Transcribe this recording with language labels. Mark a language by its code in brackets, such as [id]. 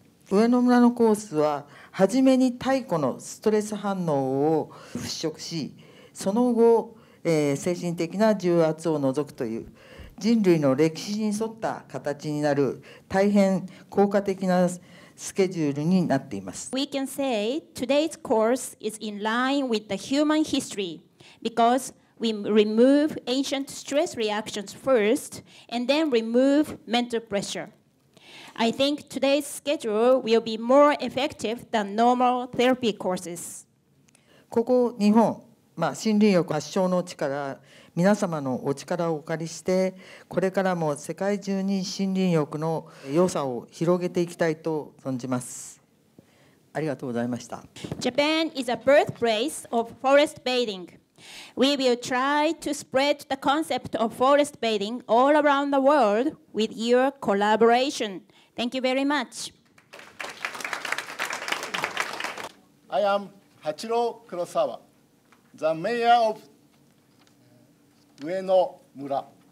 [ja] 上野村のコースは、初めに太古のストレス反応を払拭し、その後、精神的な重圧を除くという、人類の歴史に沿った形になる大変効果的なスケジュールになっています。 [en] We can say today's course is in line with the human history because we remove ancient stress reactions first and then remove mental pressure. I think today's schedule will be more effective than normal therapy courses. [ja] ここ日本、まあ、森林浴発祥の地から皆様のお力をお借りしてこれからも世界中に森林浴の良さを広げていきたいと存じます。ありがとうございました。 [en] Japan is a birthplace of forest bathing. We will try to spread the concept of forest bathing all around the world with your collaboration. Thank you very much. I am Hachiro Kurosawa, the mayor of Ueno Mura.